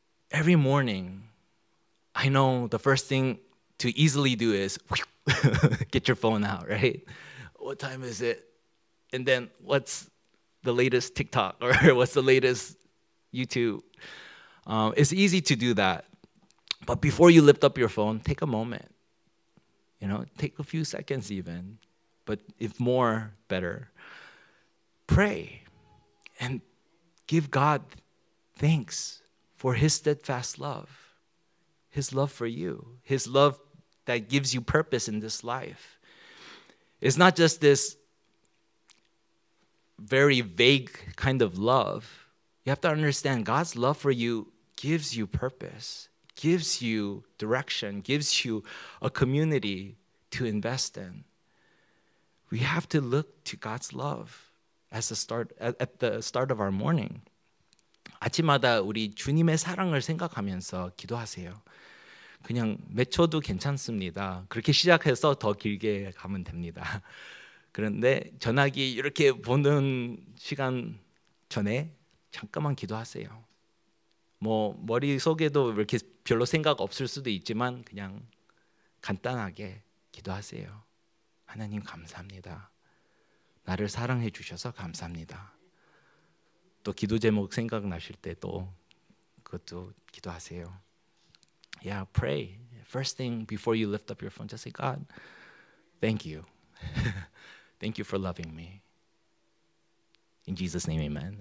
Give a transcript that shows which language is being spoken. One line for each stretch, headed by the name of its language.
English: Every morning, I know the first thing to easily do is get your phone out, right? What time is it? And then what's the latest TikTok or what's the latest YouTube? It's easy to do that. But before you lift up your phone, take a moment. You know, take a few seconds even. But if more, better. Pray and give God thanks for His steadfast love, His love for you, His love that gives you purpose in this life. It's not just this very vague kind of love. You have to understand God's love for you gives you purpose, gives you direction, gives you a community to invest in. We have to look to God's love as the start, at the start of our morning.
Korean: 아침마다 우리 주님의 사랑을 생각하면서 기도하세요. 그냥 몇 초도 괜찮습니다. 그렇게 시작해서 더 길게 가면 됩니다. 그런데 전화기 이렇게 보는 시간 전에 잠깐만 기도하세요. 뭐 머릿속에도 이렇게 별로 생각 없을 수도 있지만 그냥 간단하게 기도하세요. 하나님 감사합니다. 나를 사랑해 주셔서 감사합니다. 또 기도 제목 생각나실 때 또 그것도 기도하세요.
English: Yeah, pray. First thing before you lift up your phone, just say, God, thank you. Thank you for loving me. In Jesus' name, amen.